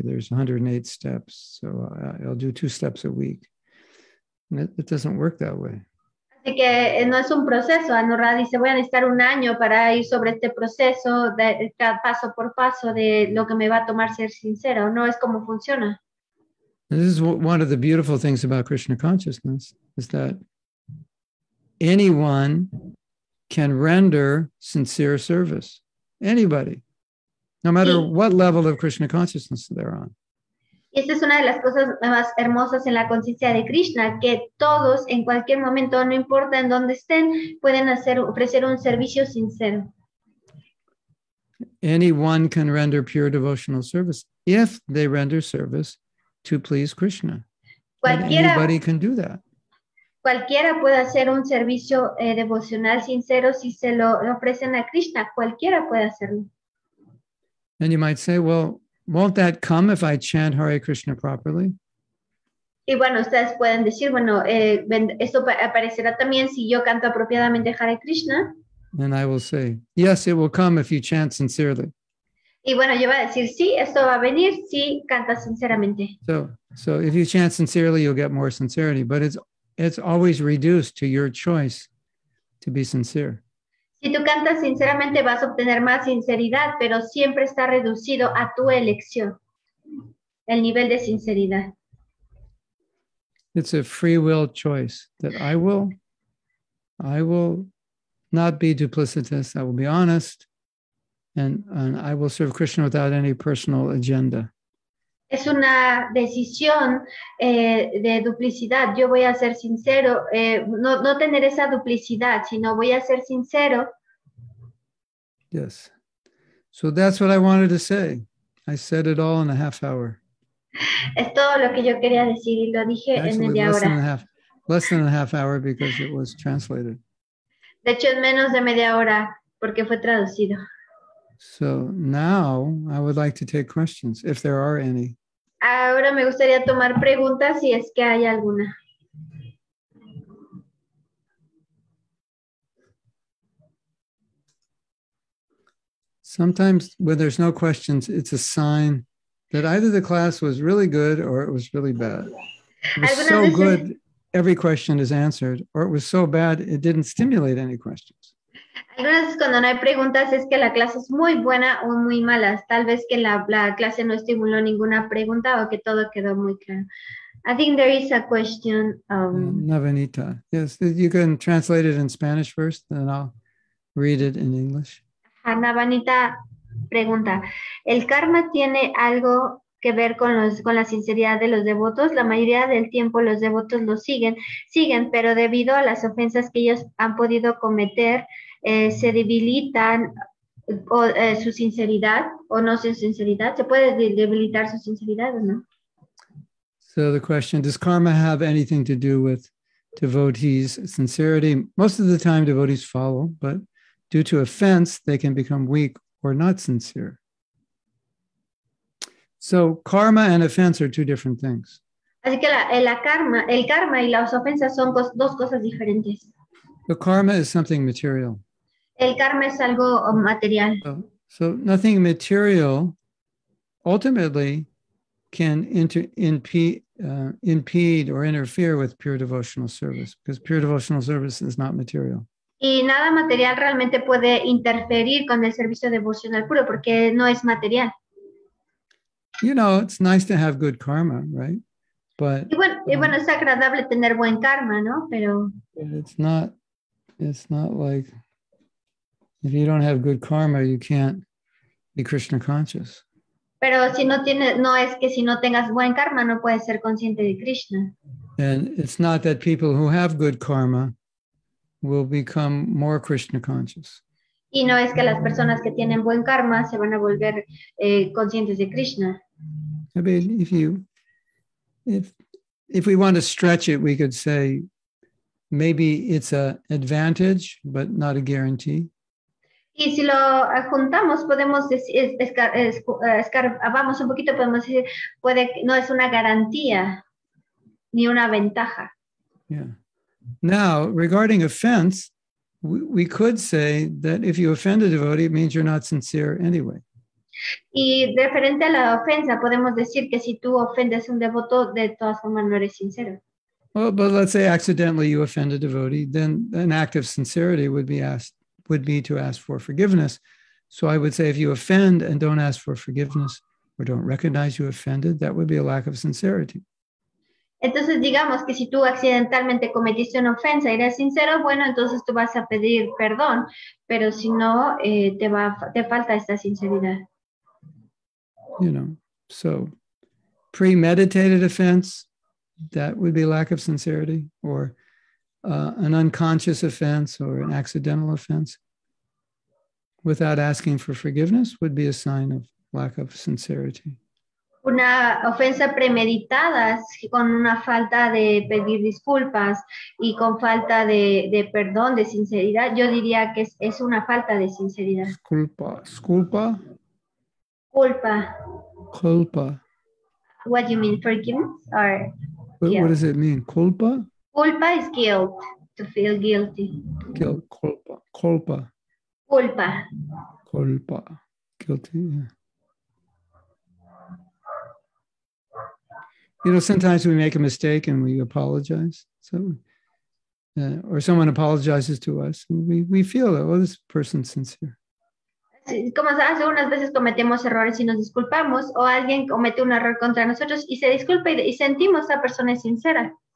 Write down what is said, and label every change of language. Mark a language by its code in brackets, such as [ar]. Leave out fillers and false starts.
[en] There's 108 steps, so I'll do 2 steps a week. It doesn't work that way. [es] Así que no es un proceso. Anuradha dice, voy a necesitar un año para ir sobre este proceso, paso por paso, de lo que me va a tomar ser sincero. No es como funciona. [en] This is one of the beautiful things about Krishna consciousness, is that anyone can render sincere service. Anybody. No matter what level of Krishna consciousness they're on. [es] Esta es una de las cosas más hermosas en la conciencia de Krishna, que todos, en cualquier momento, no importa en dónde estén, pueden ofrecer un servicio sincero. [en] Anyone can render pure devotional service if they render service to please Krishna. Anybody can do that. [es] Cualquiera puede hacer un servicio devocional sincero si se lo ofrecen a Krishna. Cualquiera puede hacerlo. [en] And you might say, well, won't that come if I chant Hare Krishna properly? [es] Y bueno, ustedes pueden decir, bueno, esto aparecerá también si yo canto apropiadamente Hare Krishna. [en] And I will say, yes, it will come if you chant sincerely. [es] Y bueno, yo voy a decir, sí, esto va a venir si cantas sinceramente. [en] So if you chant sincerely, you'll get more sincerity, but it's always reduced to your choice to be sincere. [es] Si tú cantas sinceramente, vas a obtener más sinceridad, pero siempre está reducido a tu elección, el nivel de sinceridad. [en] It's a free will choice that I will not be duplicitous. I will be honest, and I will serve Krishna without any personal agenda. [es] Es una decisión de duplicidad. Yo voy a ser sincero, no tener esa duplicidad, sino voy a ser sincero. [en] Yes. So that's what I wanted to say. I said it all in a half hour. [es] Es todo lo que yo quería decir y lo dije en [en] Actually, [es] media [en] less [es] hora. [en] than a half, less than a half hour because it was translated. [es] De hecho, en menos de media hora porque fue traducido. [en] So now I would like to take questions if there are any. [es] Ahora me gustaría tomar preguntas si es que hay alguna. [en] Sometimes when there's no questions, it's a sign that either the class was really good or it was really bad. It was so good, every question is answered, or it was so bad, it didn't stimulate any questions. [es] Algunas veces cuando no hay preguntas es que la clase es muy buena o muy mala. Tal vez que la clase no estimuló ninguna pregunta o que todo quedó muy claro. [en] I think there is a question. Navanita. Yes, you can translate it in Spanish first, then I'll read it in English. [es] Navanita pregunta, ¿el karma tiene algo que ver con la sinceridad de los devotos? La mayoría del tiempo los devotos lo siguen, pero debido a las ofensas que ellos han podido cometer, se debilitan su sinceridad o no su sinceridad. ¿Se puede debilitar su sinceridad o no? [en] So the question, does karma have anything to do with devotees' sincerity? Most of the time devotees follow, but due to offense, they can become weak or not sincere. So karma and offense are two different things. [es] Así que el karma y las ofensas son dos cosas diferentes. [en] The karma is something material. [es] El karma es algo material. [en] So nothing material ultimately can impede or interfere with pure devotional service, because pure devotional service is not material. [es] Y nada material realmente puede interferir con el servicio devocional puro porque no es material. [en] You know, it's nice to have good karma, right? But [es] y bueno, es agradable tener buen karma, ¿no? Pero [en] it's not like if you don't have good karma, you can't be Krishna conscious. [es] Pero si no tienes, no es que si no tengas buen karma no puedes ser consciente de Krishna. [en] And it's not that people who have good karma will become more Krishna conscious. [es] Y no es que las personas que tienen buen karma se van a volver conscientes de Krishna. [en] I mean, if we want to stretch it, we could say maybe it's an advantage, but not a guarantee. [es] Y si lo juntamos, podemos escarbamos un poquito, podemos decir, puede no es una garantía ni una ventaja. [en] Yeah. Now, regarding offense, we could say that if you offend a devotee, it means you're not sincere anyway. [es] Y referente a la ofensa, podemos decir que si tú ofendes un devoto, de todas formas no eres sincero. [en] Well, but let's say accidentally you offend a devotee, then an act of sincerity would be to ask for forgiveness. So I would say if you offend and don't ask for forgiveness or don't recognize you offended, that would be a lack of sincerity. [es] Entonces digamos que si tú accidentalmente cometiste una ofensa y eres sincero, bueno, entonces tú vas a pedir perdón, pero si no, te falta esta sinceridad. [en] You know, so premeditated offense, that would be lack of sincerity, or an unconscious offense or an accidental offense without asking for forgiveness would be a sign of lack of sincerity. [es] Una ofensa premeditada con una falta de pedir disculpas y con falta de perdón, de sinceridad, yo diría que es una falta de sinceridad. Disculpa. Culpa. Culpa. [en] What do you mean, forgiveness or guilt? What does it mean, culpa? Culpa is guilt, to feel guilty. [es] Guilt, culpa, culpa. Culpa. [en] Culpa, guilty, yeah. You know, sometimes we make a mistake and we apologize. So, or someone apologizes to us, and we feel that, well, this person's sincere. [es] Como hace unas veces cometemos errores y nos disculpamos, o alguien comete un error contra nosotros y se disculpa y sentimos esa persona es sincera.